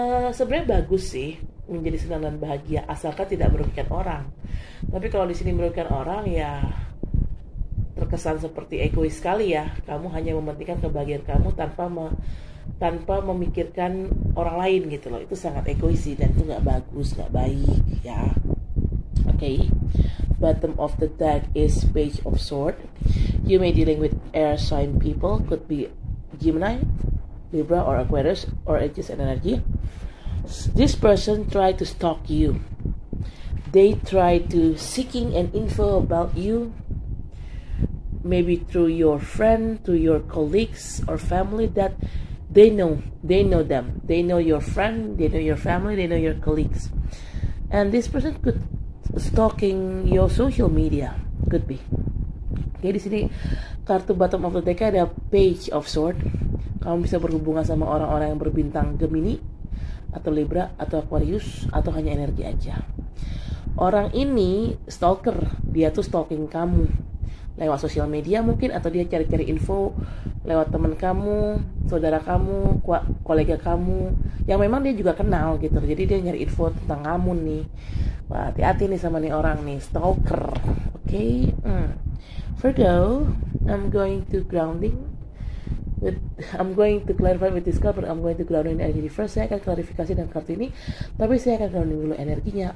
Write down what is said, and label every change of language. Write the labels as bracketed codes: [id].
[id] Sebenarnya bagus sih menjadi senang dan bahagia asalkan tidak merugikan orang. Tapi kalau di sini merugikan orang ya terkesan seperti egois sekali ya. Kamu hanya mementingkan kebahagiaan kamu tanpa memikirkan orang lain gitu loh. Itu sangat egois sih dan itu gak bagus, gak baik ya. [en] Okay. Bottom of the deck is Page of Swords. You may dealing with air sign people. Could be Gemini, Libra, or Aquarius, or it's just an energy. This person try to stalk you. They try to seeking an info about you. Maybe through your friend, to your colleagues or family that they know them. They know your friend, they know your family, they know your colleagues. And this person could stalking your social media, could be. [id] Okay, di sini kartu bottom of the deck ada Page of Sword. Kamu bisa berhubungan sama orang-orang yang berbintang Gemini atau Libra atau Aquarius atau hanya energi aja. Orang ini stalker, dia tuh stalking kamu lewat sosial media mungkin, atau dia cari-cari info lewat teman kamu, saudara kamu, kolega kamu yang memang dia juga kenal gitu. Jadi dia nyari info tentang kamu nih. Wah, hati-hati nih sama nih orang nih, stalker. Okay. [en] Virgo, I'm going to grounding with, I'm going to clarify with this card, but I'm going to grounding the energy first. [id] Saya akan klarifikasi dengan kartu ini, tapi saya akan grounding dulu energinya.